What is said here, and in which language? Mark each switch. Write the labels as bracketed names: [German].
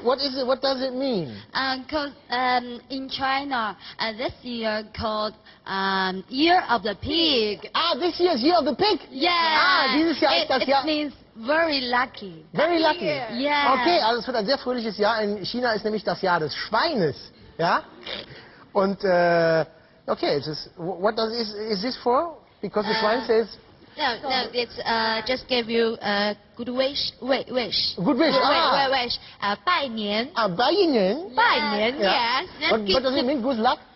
[English] What is it? What does it mean? Because in China, this year called Year of the Pig. Ah, this year's Year of the Pig. Yeah. [German] Ah, dieses Jahr ist das Jahr. [English] It means very lucky. Very lucky. Yeah. [German] Okay, also es wird ein sehr fröhliches Jahr. In China ist nämlich das Jahr des Schweines, ja? [English] Und okay, it's just, what does is this for? Because the Schwein says. No, it's just give you a good wish. Good wish. [Chinese] 拜年. Ah, 拜年. [English] Yeah. [Chinese] 拜年, [English] yeah. Yes. What does it mean? Good luck?